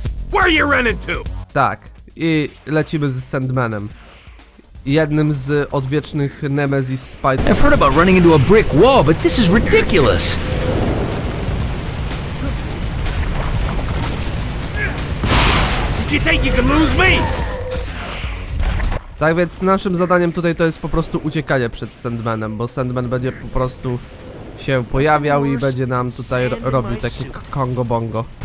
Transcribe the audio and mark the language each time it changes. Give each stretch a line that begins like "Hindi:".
English: Where you running to?
Polish: Tak, i lecimy ze Sandmanem. Jednym z odwiecznych Nemesis Spider-Man.
English: I've heard about running into a brick wall, but this is ridiculous. Did you think you could lose me?
Polish: Tak więc naszym zadaniem tutaj to jest po prostu uciekanie przed Sandmanem, bo Sandman będzie po prostu się pojawiał i będzie nam tutaj robił taki Kongo Bongo.